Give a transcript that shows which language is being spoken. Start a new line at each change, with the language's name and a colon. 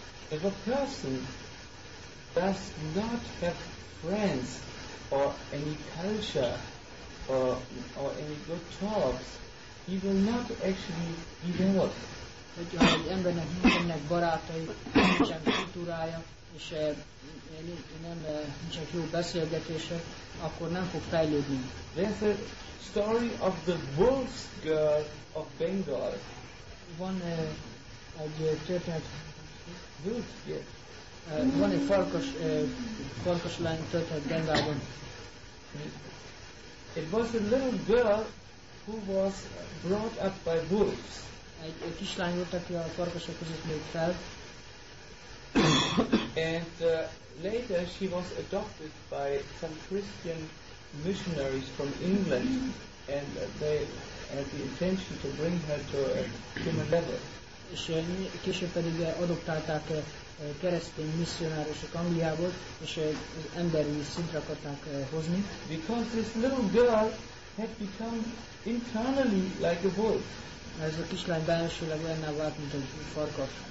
English: If a person does not have friends or any culture or any good talks, he will not actually develop.
Hungarian: Hogyha egy embernek nincsenek barátai, nincsen kultúrája, és nincsenek jó beszélgetése, akkor nem fog fejlődni.
English: There's a story of the wolf's girl of Bengal.
Hungarian: Van egy történet.
English: Wolf, yes.
Hungarian: Van egy farkas lány történet Bengalban.
English: It was a little girl who was brought up by wolves.
Hungarian: Egy kislány volt, aki a farkasok között nőtt fel.
English: And later she was adopted by some Christian missionaries from England, and they had the intention to bring her to a human level.
Hungarian: És később pedig adoptálták keresztény misszionárosok Angliából, és emberi szintre akarták hozni.
English: Because this little girl had become internally like a wolf.
Hungarian: Ez a kislány belsőleg olyanná vált, mint egy farkas.